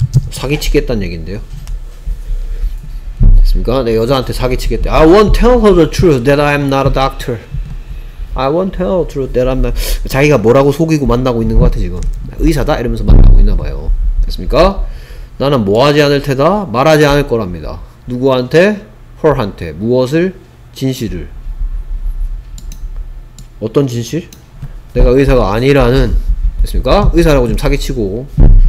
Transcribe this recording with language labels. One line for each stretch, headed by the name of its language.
Korean: 사기치겠다는 얘긴데요. 됐습니까? 내 여자한테 사기치겠대.
English: I won't tell her the truth that I'm not a doctor. I won't tell the truth that I'm not.
Korean: 자기가 뭐라고 속이고 만나고 있는 것 같아 지금. 의사다? 이러면서 만나고 있나봐요. 됐습니까? 나는 뭐 하지 않을 테다? 말하지 않을 거랍니다. 누구한테? her한테. 무엇을? 진실을. 어떤 진실? 내가 의사가 아니라는. 됐습니까? 의사라고 좀 사기치고